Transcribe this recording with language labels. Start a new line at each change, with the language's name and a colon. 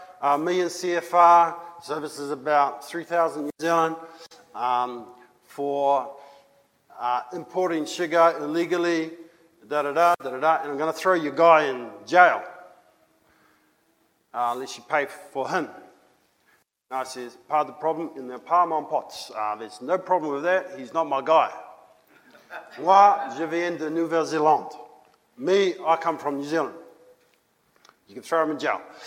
English: $1 million CFR, so this is about 3,000 New Zealand, for importing sugar illegally, da-da-da-da-da-da, and I'm going to throw your guy in jail. Unless you pay for him. And I says, part of the problem in the Parmon pots. There's no problem with that. He's not my guy.
French: Moi, je viens de Nouvelle-Zélande.
English: Me, I come from New Zealand. You can throw him in jail.